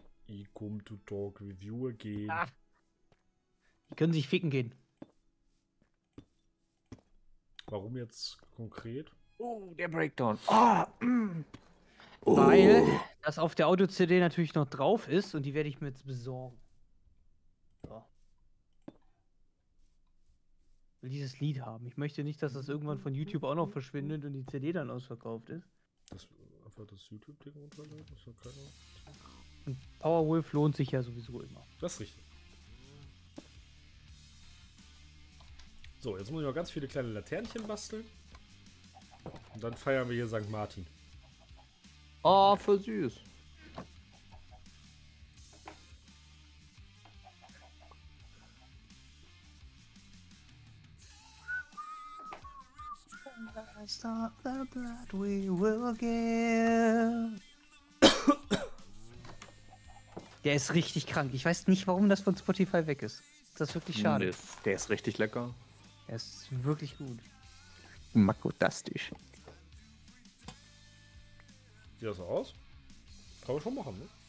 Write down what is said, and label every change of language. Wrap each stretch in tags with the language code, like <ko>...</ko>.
<en>I come to talk with you again. Ah.</en> <de>Die können sich ficken gehen. Warum jetzt konkret? Oh, der Breakdown. Oh. Weil das auf der Auto-CD natürlich noch drauf ist und die werde ich mir jetzt besorgen. Will dieses Lied haben. Ich möchte nicht, dass das irgendwann von YouTube auch noch verschwindet und die CD dann ausverkauft ist. Das einfach das YouTube-Ding runterladen, das hat keiner. Und Powerwolf lohnt sich ja sowieso immer. Das ist richtig. So, jetzt muss ich noch ganz viele kleine Laternchen basteln. Und dann feiern wir hier St. Martin. Ah, oh, voll süß.</de> <en>Stop the blood we will give.</en> <de>Der ist richtig krank. Ich weiß nicht, warum das von Spotify weg ist. Das ist wirklich schade. Der ist richtig lecker. Er ist wirklich gut. Makodastisch. Sieht das so aus? Kann man schon machen, ne?</de>